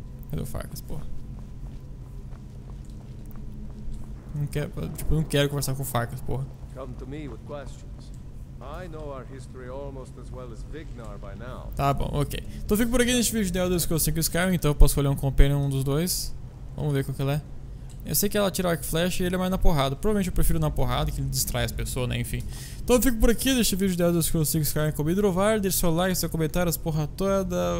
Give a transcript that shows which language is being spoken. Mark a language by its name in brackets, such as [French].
[Portuguese] Cadê o Farcas, pô? Não quero, tipo, não quero conversar com o Farcas, pô. [English] Come to me with questions. I know our history almost as well as Vignar by now. [Portuguese] Tá bom, ok. Então eu fico por aqui neste vídeo de Elder Scrolls 5 Skyrim, então eu posso escolher um companion, um dos dois. Vamos ver qual que ela é. Eu sei que ela tira arco e flecha e ele é mais na porrada. Provavelmente eu prefiro na porrada, que ele distrai as pessoas, né, enfim. Então eu fico por aqui neste vídeo de Elder Scrolls 5 Skyrim com o Hidrovar. Deixe seu like, seu comentário, as porra toda.